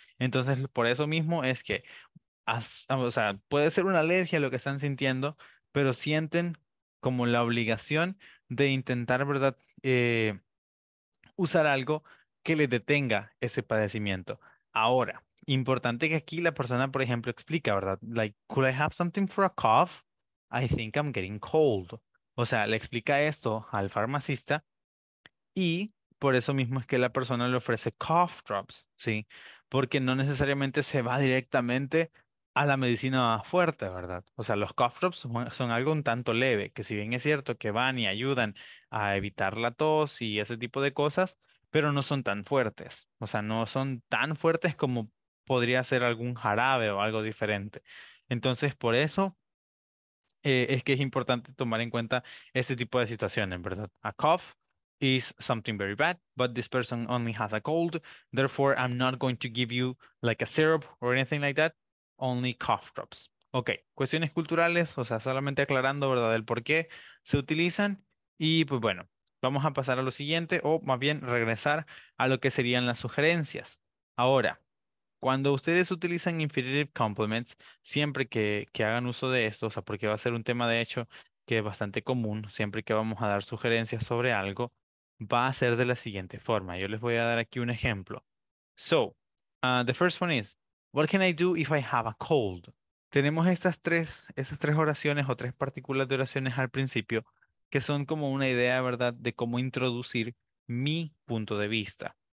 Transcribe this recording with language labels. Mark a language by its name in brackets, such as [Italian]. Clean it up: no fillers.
[Spanish] Entonces, por eso mismo es que, o sea, puede ser una alergia lo que están sintiendo, pero sienten como la obligación de intentar, ¿verdad?, usar algo que les detenga ese padecimiento. Ahora, importante que aquí la persona, por ejemplo, explica, ¿verdad? [English] Like, could I have something for a cough? I think I'm getting cold. [Spanish] O sea, le explica esto al farmacista y por eso mismo es que la persona le ofrece cough drops, ¿sí? Porque no necesariamente se va directamente a la medicina más fuerte, ¿verdad? O sea, los cough drops son algo un tanto leve, que si bien es cierto que van y ayudan a evitar la tos y ese tipo de cosas, pero no son tan fuertes. O sea, no son tan fuertes como podría ser algún jarabe o algo diferente. Entonces, por eso es que es importante tomar en cuenta ese tipo de situaciones, ¿verdad? [English] A cough is something very bad, but this person only has a cold, therefore I'm not going to give you like a syrup or anything like that, only cough drops. [Spanish] Ok, cuestiones culturales, o sea, solamente aclarando, ¿verdad?, el por qué se utilizan. Y pues bueno, vamos a pasar a lo siguiente, o más bien regresar a lo que serían las sugerencias. Ahora, Cuando ustedes utilizan infinitive complements, siempre que hagan uso de esto, o sea, porque va a ser un tema de hecho que es bastante común, siempre que vamos a dar sugerencias sobre algo, va a ser de la siguiente forma. Yo les voy a dar aquí un ejemplo. [English] So, the first one is, what can I do if I have a cold? [Spanish] Tenemos estas tres oraciones o tres partículas de oraciones al principio que son como una idea, ¿verdad?, de cómo introducir mi punto de vista.